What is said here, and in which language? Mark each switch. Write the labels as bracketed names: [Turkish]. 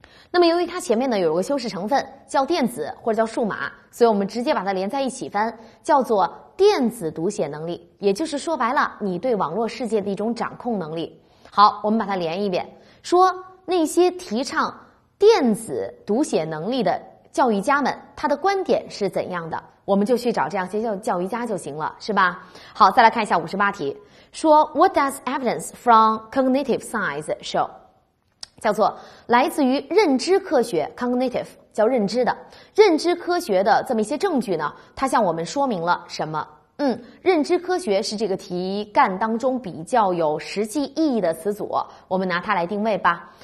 [Chinese] 那么由于它前面呢有一个修饰成分叫电子或者叫数码，所以我们直接把它连在一起翻，叫做电子读写能力，也就是说白了你对网络世界的一种掌控能力。好，我们把它连一遍，说那些提倡电子读写能力的教育家们他的观点是怎样的，我们就去找这样些教育家就行了，是吧？好，再来看一下58题，说 [English] What does evidence from cognitive science show? [Chinese] 叫做来自于认知科学 cognitive 叫认知的，认知科学的这么一些证据呢，它向我们说明了什么？认知科学是这个题干当中比较有实际意义的词组，我们拿它来定位吧。